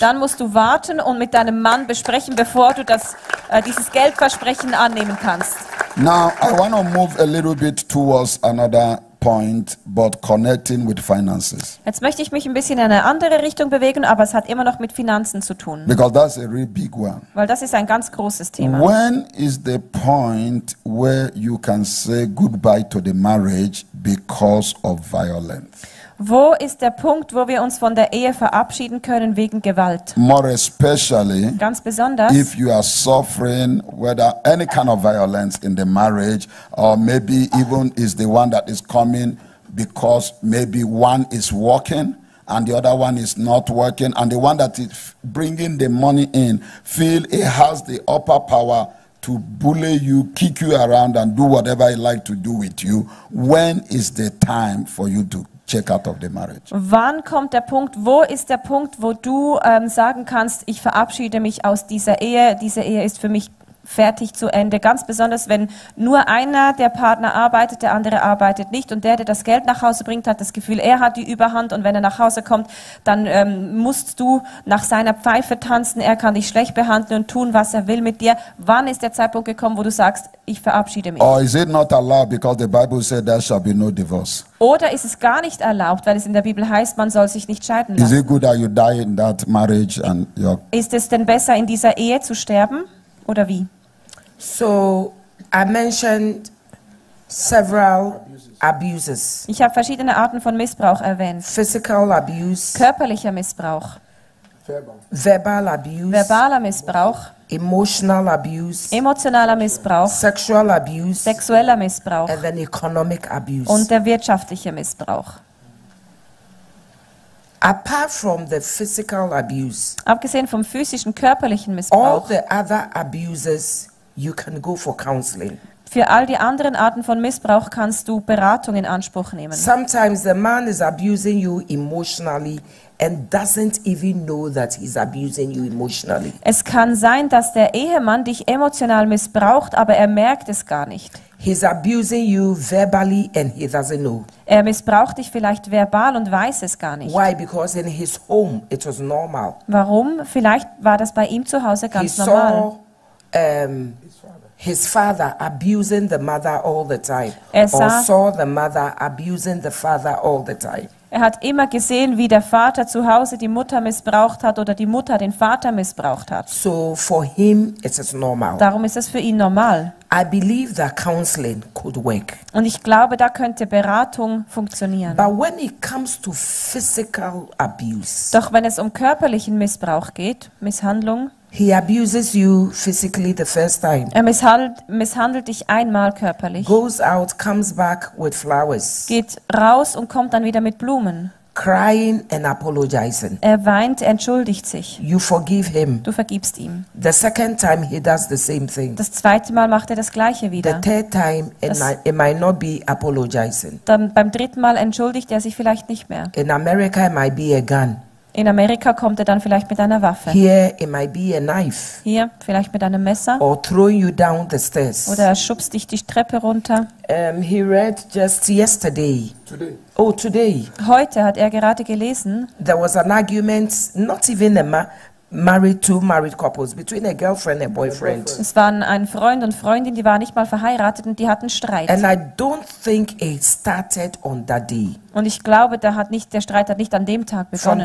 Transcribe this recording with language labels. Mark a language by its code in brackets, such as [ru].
[de] Dann musst du warten und mit deinem Mann besprechen, bevor du dieses Geldversprechen annehmen kannst. [en] Now I want to move a little bit towards another point, but connecting with finances. [de] Jetzt möchte ich mich ein bisschen in eine andere Richtung bewegen, aber es hat immer noch mit Finanzen zu tun. [en] Because that's a really big one. [de] Weil das ist ein ganz großes Thema. [en] When is the point where you can say goodbye to the marriage because of violence? [de] Wo ist der Punkt, wo wir uns von der Ehe verabschieden können wegen Gewalt? [en] More especially, [de] ganz besonders, [en] if you are suffering whether any kind of violence in the marriage, or maybe even is the one that is coming because maybe one is working and the other one is not working, and the one that is bringing the money in feel it has the upper power to bully you, kick you around, and do whatever he like to do with you, when is the time for you to check out of the marriage? [de] Wann kommt der Punkt, wo ist der Punkt, wo du sagen kannst, ich verabschiede mich aus dieser Ehe ist für mich fertig, zu Ende, ganz besonders, wenn nur einer der Partner arbeitet, der andere arbeitet nicht, und der, der das Geld nach Hause bringt, hat das Gefühl, er hat die Überhand, und wenn er nach Hause kommt, dann musst du nach seiner Pfeife tanzen, er kann dich schlecht behandeln und tun, was er will mit dir. Wann ist der Zeitpunkt gekommen, wo du sagst, ich verabschiede mich? [en] Or is it not allowed because the Bible said there shall be no divorce? [de] Oder ist es gar nicht erlaubt, weil es in der Bibel heißt, man soll sich nicht scheiden lassen? [en] Is it good that you die in that marriage and your... [de] Ist es denn besser, in dieser Ehe zu sterben? Oder wie? [en] So, I mentioned several abuses. [de] Ich habe verschiedene Arten von Missbrauch erwähnt. [en] Physical abuse. [de] Körperlicher Missbrauch. [en] Verbal abuse. [de] Verbaler Missbrauch. [en] Emotional abuse. [de] Emotionaler Missbrauch. [en] Sexual abuse. [de] Sexueller Missbrauch. [en] And then economic abuse. [de] Und der wirtschaftliche Missbrauch. [en] Apart from the physical abuse, [de] abgesehen vom physischen körperlichen Missbrauch, [en] all the other abuses, you can go for counseling. [de] Für all die anderen Arten von Missbrauch kannst du Beratung in Anspruch nehmen. [en] Sometimes the man is abusing you emotionally and doesn't even know that he's abusing you emotionally. [de] Es kann sein, dass der Ehemann dich emotional missbraucht, aber er merkt es gar nicht. [en] He's abusing you verbally and he doesn't know. [de] Er missbraucht dich vielleicht verbal und weiß es gar nicht. [en] Why? Because in his home it was normal. [de] Warum? Vielleicht war das bei ihm zu Hause ganz normal. [en] He saw his father abusing the mother all the time. [de] Er sah, [en] or saw the mother abusing the father all the time. [de] Er hat immer gesehen, wie der Vater zu Hause die Mutter missbraucht hat oder die Mutter den Vater missbraucht hat. [en] So for him it is normal. [de] Darum ist es für ihn normal. [en] I believe that counseling could work. [de] Und ich glaube, da könnte Beratung funktionieren. [en] But when it comes to physical abuse, [de] doch wenn es um körperlichen Missbrauch geht, Misshandlung, [en] he abuses you physically the first time. [de] Er misshandelt dich einmal körperlich. [en] Goes out, comes back with flowers. [de] Geht raus und kommt dann wieder mit Blumen. [en] Crying and apologizing. [de] Er weint, entschuldigt sich. [en] You forgive him. [de] Du vergibst ihm. [en] The second time he does the same thing. [de] Das zweite Mal macht er das gleiche wieder. [en] The third time it might not be apologizing. [de] Dann beim dritten Mal entschuldigt er sich vielleicht nicht mehr. [en] In America it might be a gun. [de] In Amerika kommt er dann vielleicht mit einer Waffe. [en] Here it might be a knife. [de] Hier vielleicht mit einem Messer. [en] Or throwing you down the stairs. [de] Oder er schubst dich die Treppe runter. [en] He read just yesterday. Today. Oh, today. [de] Heute hat er gerade gelesen. [en] There was an argument, not even a married two married couples, between a girlfriend and a boyfriend. [de] Es waren ein Freund und Freundin, die waren nicht mal verheiratet und die hatten Streit. [en] And I don't think it started on that day. [de] Und ich glaube, der Streit hat nicht an dem Tag begonnen.